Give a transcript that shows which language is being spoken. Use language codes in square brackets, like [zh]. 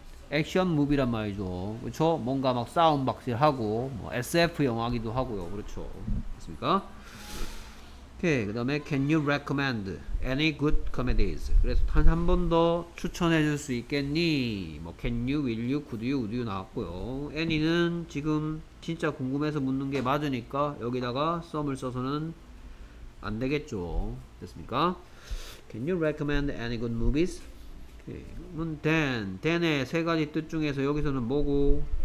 [ko] 액션 무비란 말이죠. 그렇죠? 뭔가 막 싸움 박질하고 뭐 SF 영화기도 하고요. 그렇죠? 맞습니까? 오케이. 그 다음에 [en] Can you recommend any good comedies? [ko] 그래서 단 한 번 더 추천해 줄 수 있겠니? 뭐 [en] Can you, will you, could you, would you [ko] 나왔고요. Any는 지금 진짜 궁금해서 묻는 게 맞으니까 여기다가 some을 써서는 안 되겠죠. 됐습니까? [en] Can you recommend any good movies? [ko] 그럼 then, then의 세 가지 뜻 중에서 여기서는 뭐고?